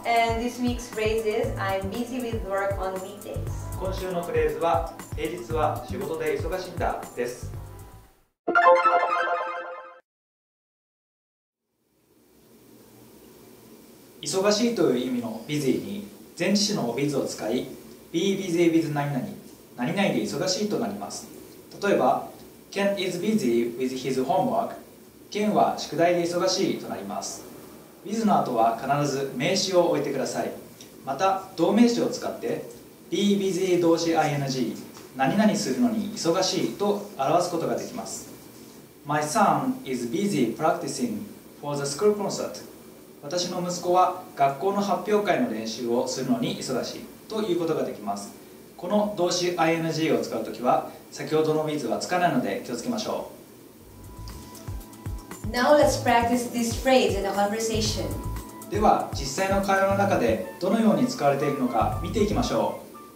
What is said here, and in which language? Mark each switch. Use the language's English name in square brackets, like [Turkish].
[English] And this week's phrase is I'm busy with work on weekdays. [Japanese] 今週のフレーズは平日は仕事で忙しいんだです。忙しいという意味の busy に前置詞の with を使い [English] be busy with [Japanese] 何々何々で忙しいとなります。 [English] 例えば Ken is busy with his homework。 [Japanese] Ken は宿題で忙しいとなります。 with の後は必ず名詞を置いてください。また動名詞を使って be busy 動詞 ing 何々するのに忙しいと表すことができます。 [English] My son is busy practicing for the school concert。 [Japanese] 私の息子は学校の発表会の練習をするのに忙しいということができます。この動詞 ing を使うときは先ほどの with はつかないので気をつけましょう。 [English] Now let's practice this phrase in a conversation. [Japanese] では実際の会話の中でどのように使われているのか見ていきましょう。